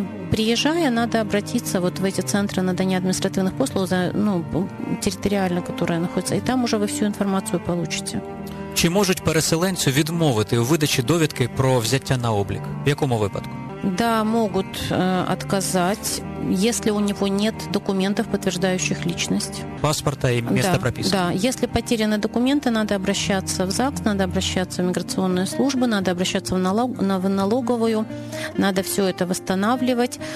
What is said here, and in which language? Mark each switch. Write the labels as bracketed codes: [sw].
[ru] Приезжая, надо обратиться вот в эти центры на дание административных послуг, территориально, которые находятся, и там уже вы всю информацию получите. [uk] Чи можуть переселенцю відмовити у видачі довідки про взяття на облік? В якому випадку? [ru] Да, могут отказать, если у него нет документов, подтверждающих личность. Паспорта и место прописки. Да, если потеряны документы, надо обращаться в ЗАГС, надо обращаться в миграционную службу, надо обращаться в налоговую, надо все это восстанавливать.